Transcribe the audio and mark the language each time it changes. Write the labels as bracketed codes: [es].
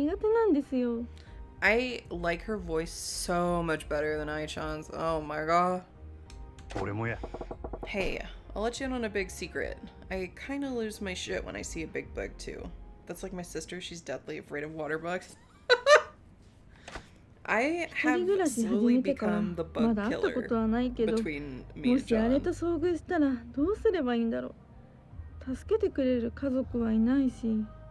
[ja] 中でもよく台所に出る黒いあれ。私、あれが死ぬほど苦手なんですよ。 [en] I like her voice so much better than Aichan's. Oh my god. [ja] 俺もや。 [en] Hey, I'll let you in on a big secret. I kind of lose my shit when I see a big bug too. That's like my sister, she's deathly afraid of water bugs. I have slowly become the bug killer between me and John. [ja] もしあれと遭遇したらどうすればいいんだろう。助けてくれる家族はいないし。